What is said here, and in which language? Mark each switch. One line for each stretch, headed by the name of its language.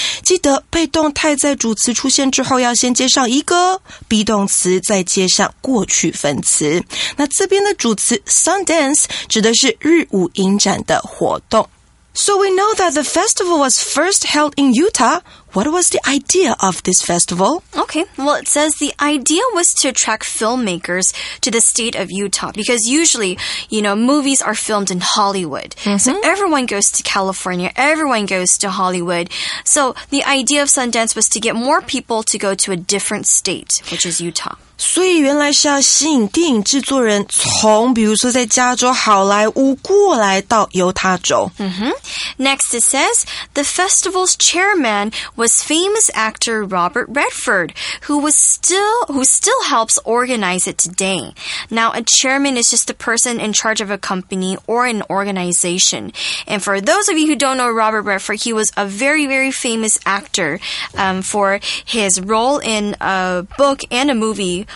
Chinese: 记得被动态在主词出现之后要先接上一个 be 动词，再接上过去分词。那这边的主词 Sundance 指的是日舞影展的活动。
English: So we know that the festival was first held in Utah. What was the idea of this festival? Okay, well, it says the idea was to attract filmmakers to the state of Utah because usually, you know, movies are filmed in Hollywood. Mm-hmm. So everyone goes to California, everyone goes to Hollywood. So the idea of Sundance was to get more people to go to a different state, which is Utah.
Chinese: 所以原来是要吸引电影制作人从比如说在加州好莱坞过来到犹他州。
English: Mm-hmm. Next, it says, the festival's chairman was famous actor Robert Redford, who still helps organize it today. Now, a chairman is just a person in charge of a company or an organization. And for those of you who don't know Robert Redford, he was a very, very famous actor for his role in a book and a movie.